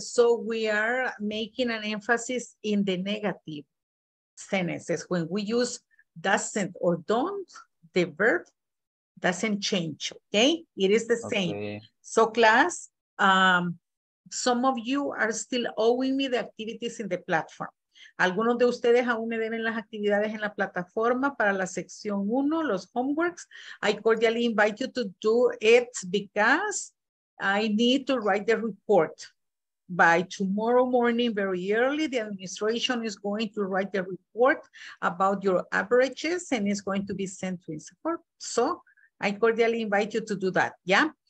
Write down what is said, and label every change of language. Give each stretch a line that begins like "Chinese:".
English: So we are making an emphasis in the negative sentences. When we use doesn't or don't, the verb doesn't change. Okay. It is the same. Okay. So class, some of you are still owing me the activities in the platform.
Spanish: Algunos de ustedes aún me deben las actividades en la plataforma para la sección 1, los homeworks.
English: I cordially invite you to do it because I need to write the report. By tomorrow morning, very early, the administration is going to write the report about your averages and it's going to be sent to INSAFORP. So I cordially invite you to do that, yeah?